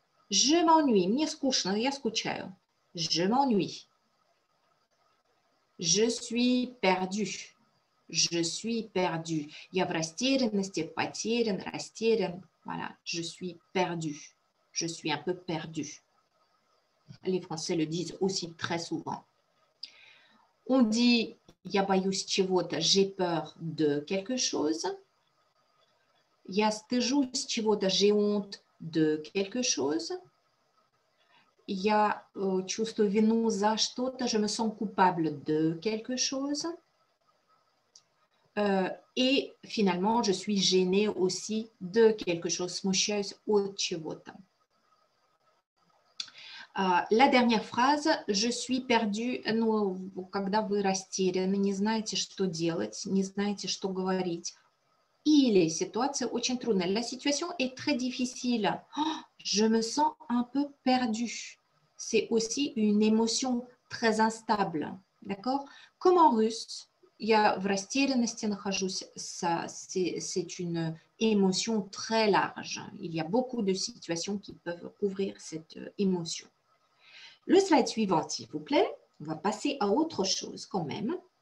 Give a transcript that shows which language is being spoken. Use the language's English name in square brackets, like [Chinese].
[French] Je m'ennuie, [Russian] мне скучно, я скучаю. [French] Je m'ennuie. Je suis perdue, je suis perdue. [Russian] Я в растерянности, потерян, растерян. [French] Voilà, je suis perdue. Je suis un peu perdu. Les Français le disent aussi très souvent. On dit, [Russian] я боюсь чего-то, [French] j'ai peur de quelque chose. [Russian] Я стыжусь чего-то, [French] j'ai honte de quelque chose. [Russian] Я чувствую вину за что-то, [French] je me sens coupable de quelque chose. Et finalement, je suis gênée aussi de quelque chose, [Russian] смущаюсь от чего-то. [French] La dernière phrase, je suis perdu, [Russian] ну, когда вы растеряны, не знаете, что делать, не знаете, что говорить. Или ситуация очень трудная. [French] La situation est très difficile. Oh, je me sens un peu perdu. C'est aussi une émotion très instable. D'accord? Comme en russe, [Russian] Я в растерянности нахожусь. [French] Ça, c'est une émotion très large. Il y a beaucoup de situations qui peuvent couvrir cette émotion. Le slide suivant, s'il vous plaît. On va passer à autre chose quand même.